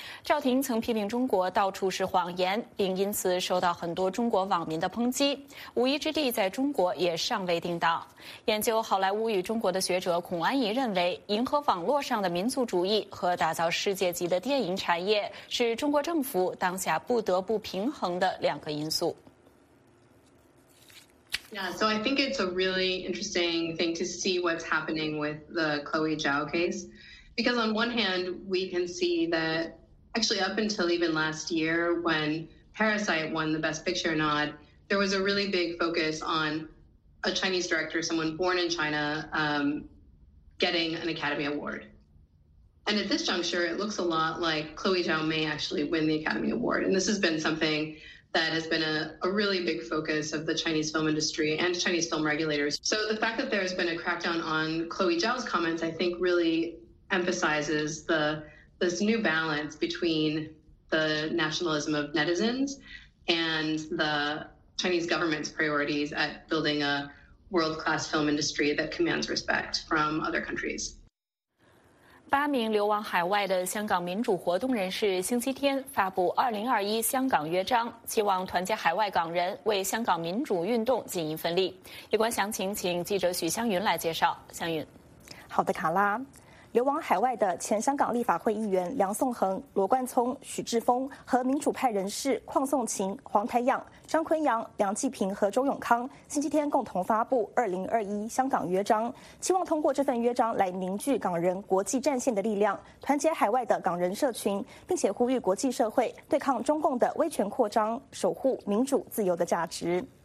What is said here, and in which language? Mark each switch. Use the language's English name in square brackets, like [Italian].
[Chinese] 赵婷曾批评中国到处是谎言，并因此受到很多中国网民的抨击。 《无依之地》在中国也尚未定档。研究好莱坞与中国的学者孔安仪认为，迎合网络上的民族主义和打造世界级的电影产业是中国政府当下不得不平衡的两个因素。 [English] Yeah, so I think it's a really interesting thing to see what's happening with the Chloe Zhao case. Because on one hand, we can see that actually up until even last year when Parasite won the Best Picture nod, there was a really big focus on a Chinese director, someone born in China, getting an Academy Award. And at this juncture, it looks a lot like Chloe Zhao may actually win the Academy Award. And this has been something... that has been a really big focus of the Chinese film industry and Chinese film regulators. So the fact that there's been a crackdown on Chloe Zhao's comments, I think really emphasizes this new balance between the nationalism of netizens and the Chinese government's priorities at building a world-class film industry that commands respect from other countries. [Chinese] 八名流亡海外的香港民主活动人士星期天发布2021香港约章，希望团结海外港人为香港民主运动尽一份力。有关详情请记者许湘云来介绍。湘云。好的，卡拉。流亡海外的前香港立法会议员梁颂恒、罗冠聪、许志峰和民主派人士邝颂琴、黄台仰、张坤阳、梁继平和周永康星期天共同发布2021香港约章，希望通过这份约章来凝聚港人国际战线的力量，团结海外的港人社群，并且呼吁国际社会对抗中共的威权扩张，守护民主自由的价值。